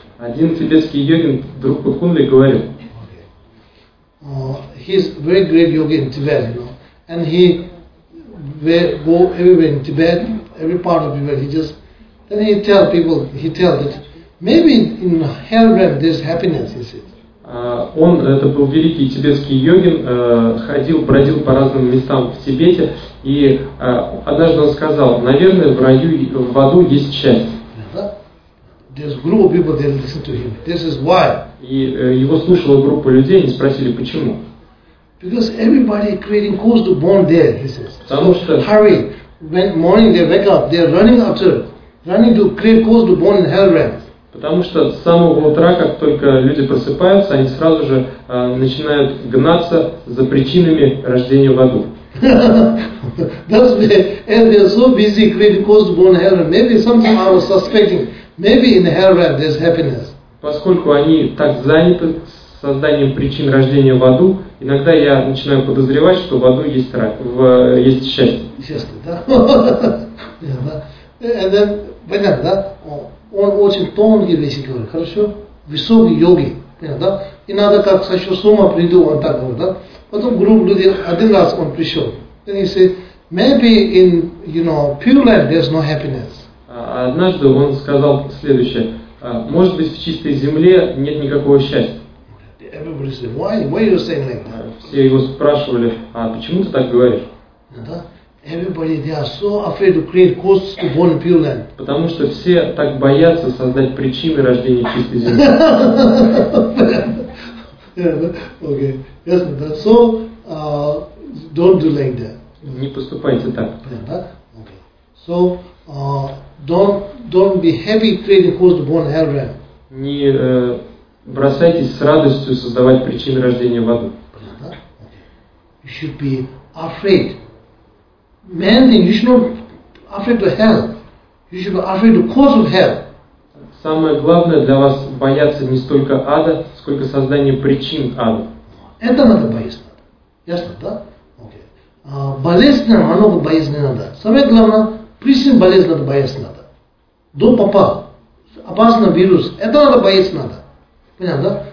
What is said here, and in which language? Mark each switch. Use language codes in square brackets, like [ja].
[ru] Один тибетский йогин, Другокунле, говорил. [en] He's a very great yogi in Tibet, you know. And he go everywhere in Tibet, every part of Tibet, he just then he tell people, he tell that maybe in hell realm there's happiness, he said. [ru] Он, это был великий тибетский йогин, ходил, бродил по разным местам в Тибете, и однажды он сказал, наверное, в раю, в аду есть счастье. [en] There's a group of people, they listen to him. This is why. [ru] И его слушала группа людей, они спросили, почему. [en] Because everybody creating cause to born there, he says. [ru] Потому что... [en] So, hurry, when morning they wake up, they're running after, running to create cause to born in hell realm. [ru] Потому что с самого утра, как только люди просыпаются, они сразу же начинают гнаться за причинами рождения в аду. [en] That's why, and they're so busy creating cause to born in hell realm. Maybe something I was suspecting. Maybe in hell realm there's happiness. [ru] Поскольку они так заняты созданием причин рождения в аду, иногда я начинаю подозревать, что в аду есть рай, есть счастье. Счастье, да? [en] And then, [ru] понятно, да? Он очень тонкий вещи говорит, хорошо? Высокий йоги, понятно, да? Иногда как сошел с ума, приду, он так говорит, да? Потом группа людей, один раз он пришел. [en] Then he said, maybe in, you know, pure land there's no happiness. [ru] Однажды он сказал следующее, может быть в чистой земле нет никакого счастья. [en] Everybody said, why you saying like that? [ru] Все его спрашивали, а почему ты так говоришь? [en] Да? Everybody they are so afraid to create causes to born in pure land. [ru] Потому что все так боятся создать причины рождения чистой земли. [en] Okay. Yes, so don't do like that. [ru] Не поступайте так. Да? Okay. [en] So don't be happy creating cause to born hell realm. [ru] Не бросайтесь с радостью создавать причины рождения в аду. [en] Понятно? Okay. You should be afraid. Mainly, you should not be afraid of hell. You should be afraid of cause of hell. [ru] Самое главное для вас бояться не столько ада, сколько создания причин ада. Это надо бояться. Ясно, да? Окей. Болезнь нам много бояться не надо. Самое главное. Причин болезни надо бояться надо. До попал. Опасный вирус. Это надо бояться надо. Понятно, да?